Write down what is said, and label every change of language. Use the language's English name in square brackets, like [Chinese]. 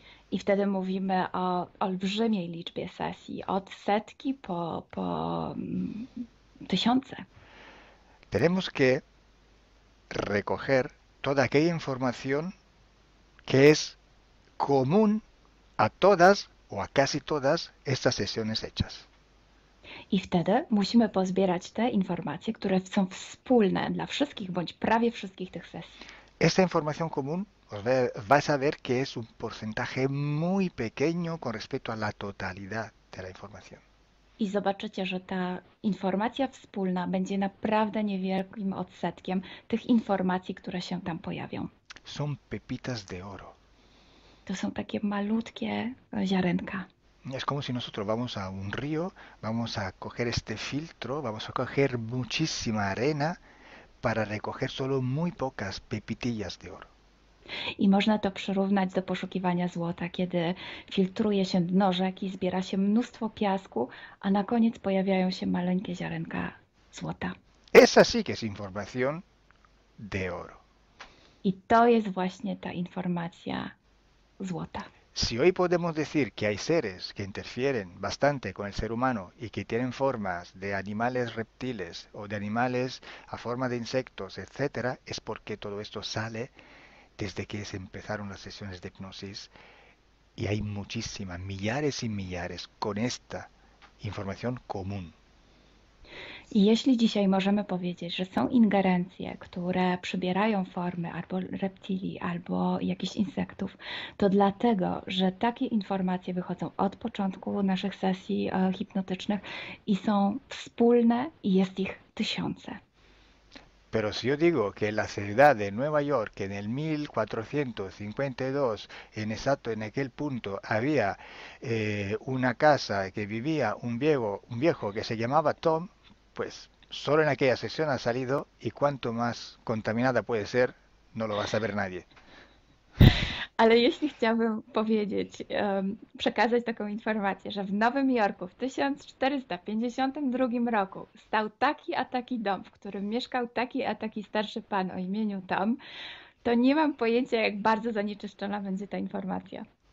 [Polish] I wtedy mówimy o olbrzymiej liczbie sesji, od setki po tysiące. [Spanish] Tenemos que recoger toda aquella información que es común a todas o a casi todas estas sesiones hechas. [Polish] I wtedy musimy pozbierać te informacje, które są wspólne dla wszystkich bądź prawie wszystkich tych sesji. [Spanish] Esta información común vas a ver que es un porcentaje muy pequeño con respecto a la totalidad de la información. [Polish] I zobaczycie, że ta informacja wspólna będzie naprawdę niewielkim odsetkiem tych informacji, które się tam pojawią. [Spanish] Son pepitas de oro. [Polish] To są takie malutkie ziarenka. [Spanish] Es como si nosotros vamos a un río, vamos a coger este filtro, vamos a coger muchísima arena para recoger solo muy pocas pepitillas de oro. [Polish] I można to przyrównać do poszukiwania złota, kiedy filtruje się dno rzeki, zbiera się mnóstwo piasku, a na koniec pojawiają się maleńkie ziarenka złota. [Spanish] Esa sí que es información de oro. [Polish] I to jest właśnie ta informacja złota. [Spanish] Si hoy podemos decir que hay seres que interfieren bastante con el ser humano y que tienen formas de animales reptiles o de animales a forma de insectos, etc., es porque todo esto sale desde que se empezaron las sesiones de hipnosis y hay muchísimas, millares y millares con esta información común. [Polish] I jeśli dzisiaj możemy powiedzieć, że są ingerencje, które przybierają formy albo reptilii, albo jakichś insektów, to dlatego, że takie informacje wychodzą od początku naszych sesji hipnotycznych i są wspólne i jest ich tysiące. [Spanish] Pero si yo digo que en la ciudad de Nueva York, en el 1452, en exacto en aquel punto, había una casa que vivía un viejo que se llamaba Tom, pues solo en aquella sesión ha salido y cuanto más contaminada puede ser, no lo va a saber nadie. [Polish] Ale jeśli chciałbym powiedzieć, przekazać taką informację, że w Nowym Jorku w 1452 roku stał taki a taki dom, w którym mieszkał taki a taki starszy pan o imieniu Tom, to nie mam pojęcia, jak bardzo zanieczyszczona będzie ta informacja.